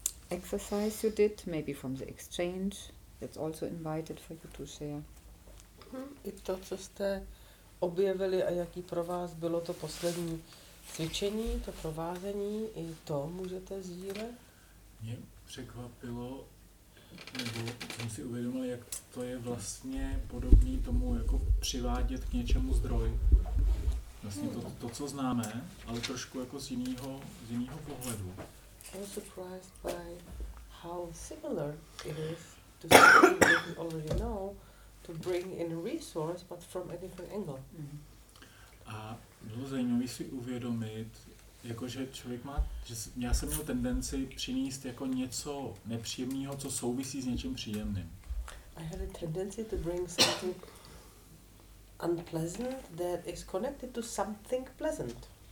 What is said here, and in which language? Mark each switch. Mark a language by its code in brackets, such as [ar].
[en] Exercise you did, maybe from the exchange, that's also invited for you to share. [cs] I to, co jste objevili a jaký pro vás bylo to poslední cvičení, to provázení, i to můžete sdílet? Mě překvapilo, nebo jsem si uvědomil, jak to je vlastně podobné tomu, jako přivádět k něčemu zdroj. Vlastně to, co známe, ale trošku jako z jiného pohledu. [en] I was surprised by how similar it is to something that we already know, to bring in a resource, but from a different angle. [cs] A bylo zajímavé si uvědomit, jakože člověk má, že já jsem měl tendenci přinést jako něco nepříjemného, co souvisí s něčím příjemným. [en] I had a tendency to bring something unpleasant that is connected to something pleasant.